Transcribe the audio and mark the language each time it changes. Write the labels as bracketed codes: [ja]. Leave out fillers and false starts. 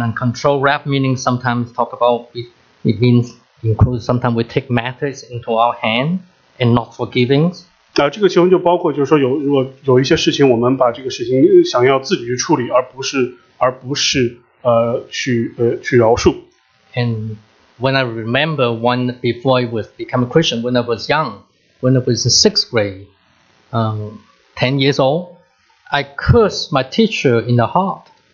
[en] uncontrolled wrath meaning sometimes talk about it means include sometimes we take matters into our hand and not forgiving. [zh] 这个其中就包括就是说有如果有一些事情我们把这个事情想要自己去处理，而不是去饶恕。And [en] when I remember one before I was become a Christian, when I was young, when I was in sixth grade, 10 years old, I cursed my teacher in the heart.